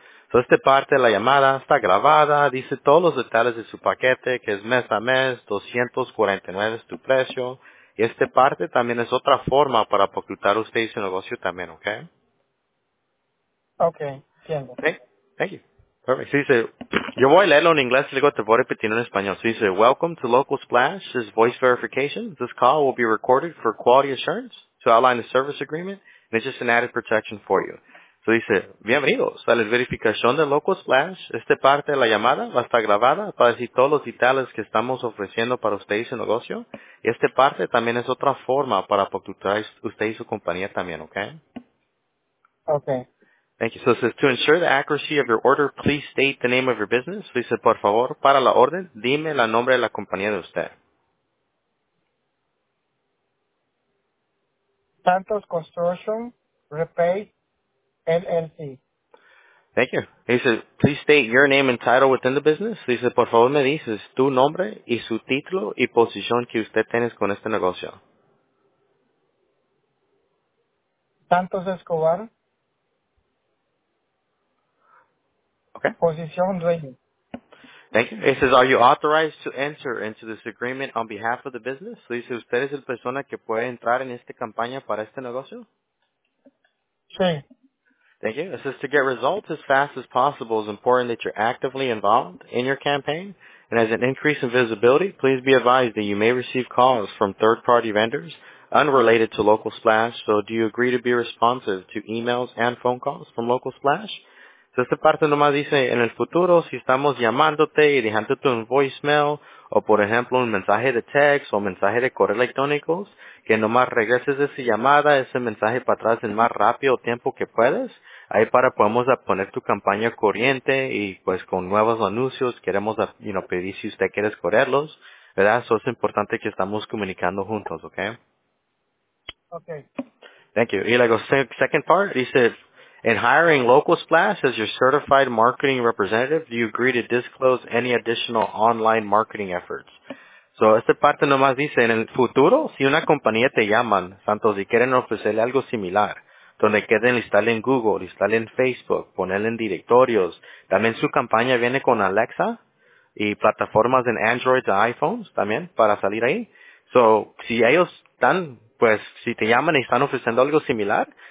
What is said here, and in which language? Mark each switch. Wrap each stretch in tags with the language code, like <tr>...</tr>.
<es>Entonces, esta parte de la llamada está grabada, dice todos los detalles de su paquete, que es mes a mes, 249 es tu precio. Y esta parte también es otra forma para ocultar usted y su negocio también, ¿ok? Ok, entiendo.</es> <en>Thank you. Perfect.</en> <es>Dice, yo voy a leerlo en inglés y luego te voy a repetir en español. Dice,</es> <en>welcome to Local Splash. This is voice verification. This call will be recorded for quality assurance to outline the service agreement, and it's just an added protection for you. So he said,</en> <es>bienvenidos a la verificación de Local Splash. Esta parte de la llamada va a estar grabada para decir todos los detalles que estamos ofreciendo para usted y su negocio. Y esta parte también es otra forma para apoyar usted y su compañía también, okay?</es> <en>Okay. Thank you. So it says, to ensure the accuracy of your order, please state the name of your business. So he said,</en> <es>por favor, para la orden, dime el nombre de la compañía de usted.</es> <en>Santos Construction Repay LLC. Thank you. He said, please state your name and title within the business. He said,</en> <es>por favor, me dices tu nombre y su título y posición que usted tienes con este negocio. Santos Escobar.</es> <en>Okay.</en> <es>Posición dueño.</es> <en>Thank you. It says, are you authorized to enter into this agreement on behalf of the business?</en> <es>So, dice, ¿usted es el persona que puede entrar en esta campaña para este negocio? Sí.</es> <en>Thank you. It says, to get results as fast as possible, it's important that you're actively involved in your campaign. And as an increase in visibility, please be advised that you may receive calls from third-party vendors unrelated to Local Splash. So, do you agree to be responsive to emails and phone calls from Local Splash?</en> <es>Entonces, esta parte nomás dice, en el futuro, si estamos llamándote y dejándote un voicemail, o por ejemplo, un mensaje de text o mensaje de correo electrónico, que nomás regreses esa llamada, ese mensaje para atrás en más rápido tiempo que puedes, ahí para podemos poner tu campaña corriente y pues con nuevos anuncios, queremos</es> <en>you know,</en> <es>pedir si usted quiere correrlos, ¿verdad? Eso es importante que estamos comunicando juntos, ¿ok? Ok.</es> <en>Thank you.</en> <es>Y luego,</es> <en>second part, dice, in hiring Local Splash as your certified marketing representative, do you agree to disclose any additional online marketing efforts?</en> <es>So, esta parte nomás dice, en el futuro, si una compañía te llaman, Santos, y quieren ofrecerle algo similar, donde queden listarle en Google, listarle en Facebook, ponerle en directorios, también su campaña viene con Alexa y plataformas en Android o iPhones también para salir ahí. So, si ellos están, pues, si te llaman y están ofreciendo algo similar,</es>